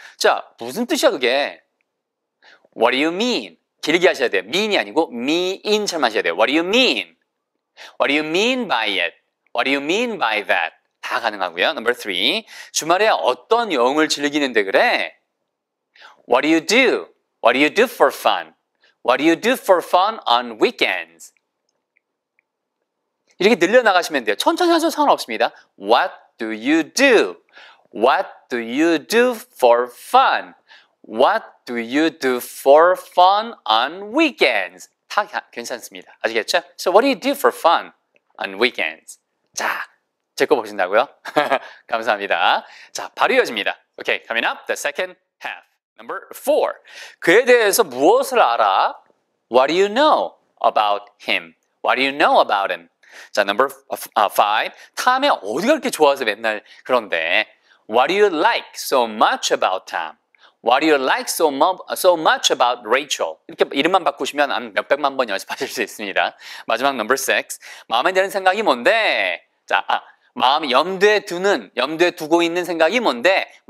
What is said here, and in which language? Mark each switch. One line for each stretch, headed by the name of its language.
Korean: 자, 무슨 뜻이야 그게?
English: What do you mean?
Korean: 길게 하셔야 돼요. mean이 아니고 mean처럼 하셔야 돼요.
English: What do you mean? What do you mean by it? What do you mean by that?
Korean: 다 가능하고요.
English: Number three.
Korean: 주말에 어떤 여행을 즐기는데 그래?
English: What do you do? What do you do for fun? What do you do for fun on weekends?
Korean: 이렇게 늘려나가시면 돼요. 천천히 하셔도 상관없습니다.
English: What do you do? What do you do for fun? What do you do for fun on weekends?
Korean: 다 괜찮습니다. 아시겠죠?
English: So what do you do for fun on weekends?
Korean: 자, 제 거 보신다고요? 감사합니다. 자, 바로 이어집니다.
English: Okay, coming up the second half. Number four.
Korean: 그에 대해서 무엇을 알아?
English: What do you know about him? What do you know about him? 자, number five.
Korean: 탐에 어디가 그렇게 좋아서 맨날 그런데.
English: What do you like so much about Tom? What do you like so much about Rachel?
Korean: 이렇게 이름만 바꾸시면 한 몇백만 번 연습하실 수 있습니다.
English: 마지막 number six.
Korean: 마음에 드는 생각이 뭔데? 자, 마음에 두고 있는 생각이 뭔데?